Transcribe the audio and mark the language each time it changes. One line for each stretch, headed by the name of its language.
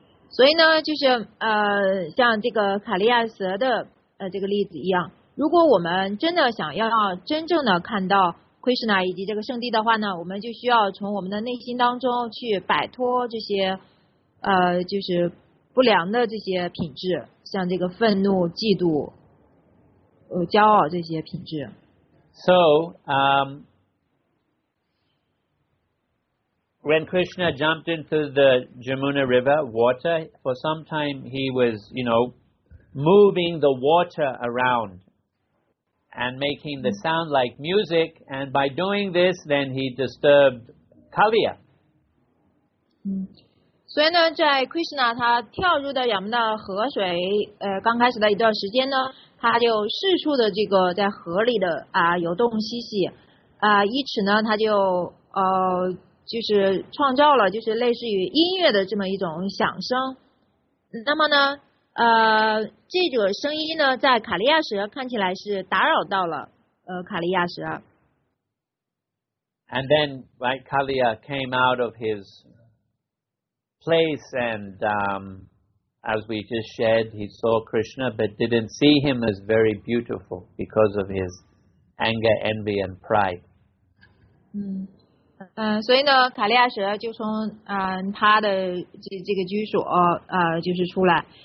Chinese: 所以呢，就是像这个卡利亚什的这个例子一样，如果我们真的想要真正的看到 Krishna 以及这个圣地的话呢，我们就需要从我们的内心当中去摆脱这些就是不良的这些品质，像这个愤怒、嫉妒、骄傲这些品质。
English: So, When Krishna jumped into the Jamuna River water, for some time he was, you know, moving the water around and making the sound like music. And by doing this, then he disturbed Kaliya.
Chinese: 所以呢，在 Krishna 他跳入到Yamuna河水刚开始的一段时间呢，他就四处的这个在河里的游动嬉戏以此呢，他就就是创造了就是类似于音乐的这么一种响声，那么呢这种声音呢在卡利亚什看起来是打扰到了卡利亚什。
English: And then right, Kaliya came out of his place and as we just shared he saw Krishna but didn't see him as very beautiful because of his anger, envy and pride.
Chinese: 所以呢，卡利亚什就从他的这个居所就是出来。